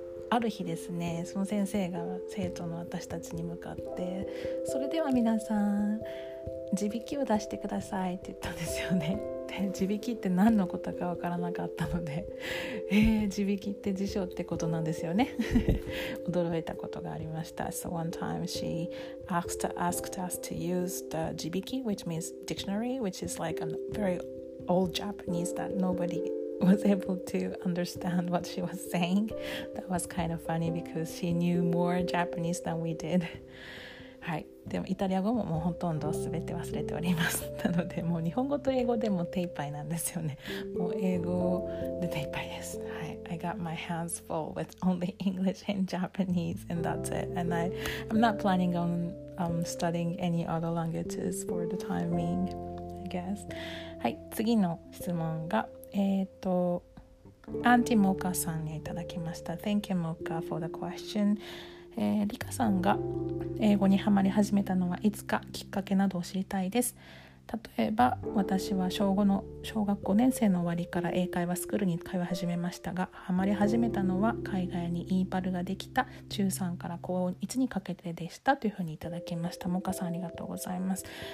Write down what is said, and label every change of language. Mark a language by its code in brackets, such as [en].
[ja] ある日ですね、その先生が生徒の私たちに向かって、それでは皆さん字引きを出してくださいって言ったんですよね。で、字引きって何のことかわからなかったので、字引きって辞書ってことなんですよね。驚いたことがありました。 [en] So one time she asked us to use the 字引き, which means dictionary, which is like a very old Japanese that nobody was able to understand what she was saying. That was kind of funny because she knew more Japanese than we did. [ja] はい、でもイタリア語ももうほとんど全て忘れております。なのでもう日本語と英語でも手いっぱいなんですよね。もう英語で手いっぱいです。 [en] はい、I got my hands full with only English and Japanese and that's it. And I'm not planning on studying any other languages for the time being, I guess. [ja] はい、次の質問がアンティモーカーさんにいただきました。 [en] Thank you, Mocha, for the question. [ja] リカさんが英語にハマり始めたのはいつか、きっかけなどを知りたいです。例えば私は小学5年生の終わりから英会話スクールに通い始めましたが、ハマり始めたのは海外にイーパルができた中3から高1にかけてでした、というふうにいただきました。モカさん、ありがとうございます。